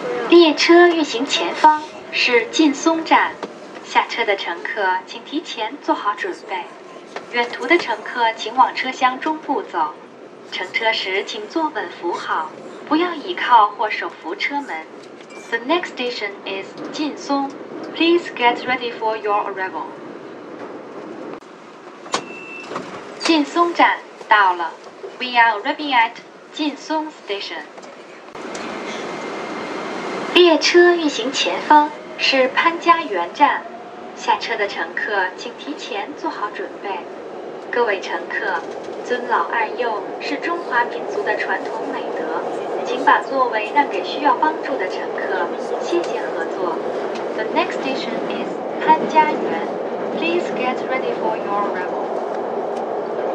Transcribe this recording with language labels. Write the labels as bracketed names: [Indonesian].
[Chinese] 列车运行前方是劲松站，下车的乘客请提前做好准备，远途的乘客请往车厢中部走，乘车时请坐稳扶好，不要倚靠或手扶车门。 [English] The next station is 劲松， Please get ready for your arrival。 [Chinese] 劲松站到了， [English] We are arriving at 劲松 station。 [Chinese] 列车运行前方是潘家园站，下车的乘客请提前做好准备。各位乘客，尊老爱幼是中华民族的传统美德，请把座位让给需要帮助的乘客，谢谢合作。 [English] The next station is 潘家园， Please get ready for your arrival。